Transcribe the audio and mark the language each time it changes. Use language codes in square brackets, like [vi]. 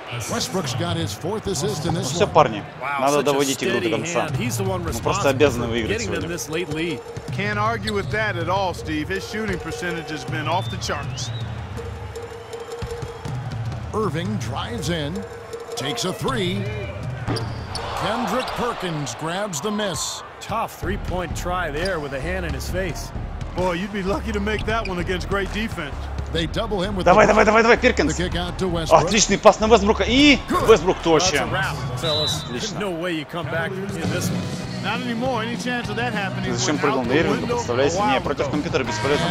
[en] Westbrook's got his fourth assist in this. [ru] Все, парни, надо доводить игру до конца. Мы просто обязаны выиграть сегодня. [en] Can't argue with that at all, Steve. His shooting percentage has been off the charts. Irving drives in, takes a three. Kendrick Perkins grabs the miss. Tough three-point try there with a hand in his face. Boy, you'd be lucky to make that one against great defense. They double him with. [ru] Давай, Перкинс. Отличный пас на Вестбрука и Вестбрук точно. Отлично. [en] No way you come back in this one. Not anymore. Any chance of that happening? [ru] Зачем прыгнул на Ирвинга? Представляешь? Не, против компьютера бесполезно